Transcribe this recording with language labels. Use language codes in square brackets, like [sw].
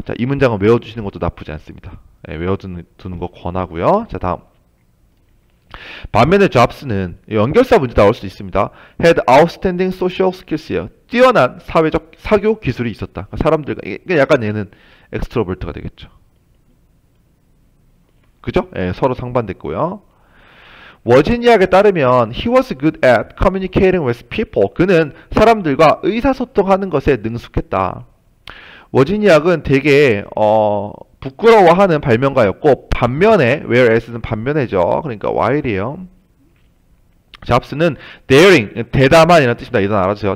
[ko] 자, 이 문장은 외워주시는 것도 나쁘지 않습니다. 예, 두는 거 권하고요. 자, 다음. 반면에 잡스는 연결사 문제 나올 수 있습니다. [en] Had outstanding social skills예요. [ko] 뛰어난 사회적 사교 기술이 있었다. 사람들과, 약간 얘는 엑스트로버트가 되겠죠. 그죠? 예, 서로 상반됐고요. 워지니악에 따르면, [en] he was good at communicating with people. [ko] 그는 사람들과 의사소통하는 것에 능숙했다. 워지니악은 되게 부끄러워하는 발명가였고, 반면에 whereas는 반면에죠. 그러니까 while이에요. 잡스는 daring, 대담한이라는 뜻입니다. 일단 알아주세요.